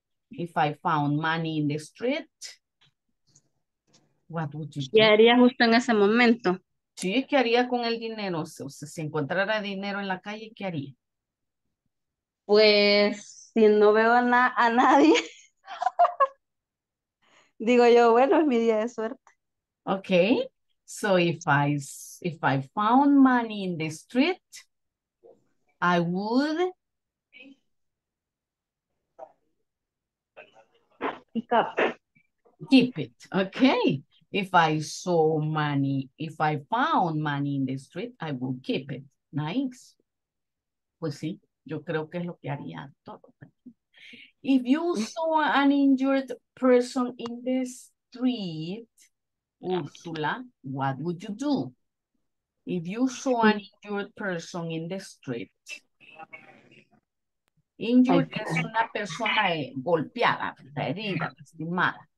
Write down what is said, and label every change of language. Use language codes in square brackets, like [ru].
[en] If I found money in the street, what would you do? [es] ¿Qué haría justo en ese momento? Sí, ¿qué haría con el dinero? O sea, si encontrara dinero en la calle, ¿qué haría? Pues... si no veo a nadie, digo yo, bueno, es mi día de suerte. [en] Okay, so if I found money in the street, I would pick up. Keep it, okay. If I saw money, if I found money in the street, I would keep it. [es] Nice. Pues sí. Yo creo que es lo que haría todo. [en] If you saw an injured person in the street, Úrsula, what would you do? If you saw an injured person in the street, injured [es] es una persona golpeada, herida, lastimada.